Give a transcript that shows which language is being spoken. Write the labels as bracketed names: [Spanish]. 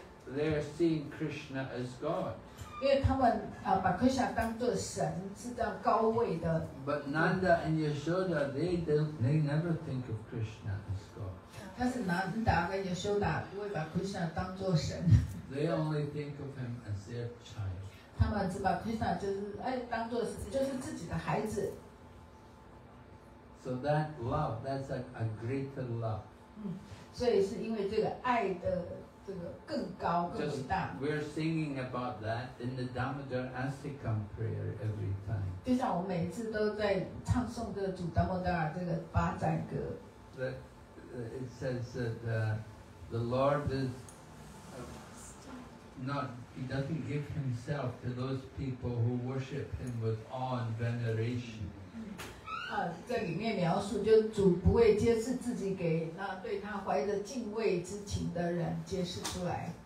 [Chinese] 而且是在马杜拉，而不是在本沙文。 [English] In Mathura, Vasudeva and Devaki are offering prayers to Krishna. [Chinese] 因为他们把 Krishna 当作神，是这样高位的。But [English] Nanda and Yashoda, they never think of Krishna as God. [Chinese] 但是南达跟亚修达不会把 Krishna 当作神。They [English] only think of him as their child. [Chinese] 他们只把 Krishna 就是当作就是自己的孩子。So [English] that love, that's a greater love. [Chinese] 所以是因为这个爱的这个更高更大。 [English] We're singing about that in the Damodar Astikam prayer every time. [Chinese] 就像我每次都在唱诵这个主达摩达尔这个八赞歌。 [English] It says that the Lord is not, he doesn't give himself to those people who worship him with awe and veneration. [Chinese] 这里面描述就是主不会揭示自己给那对他怀着敬畏之情的人揭示出来。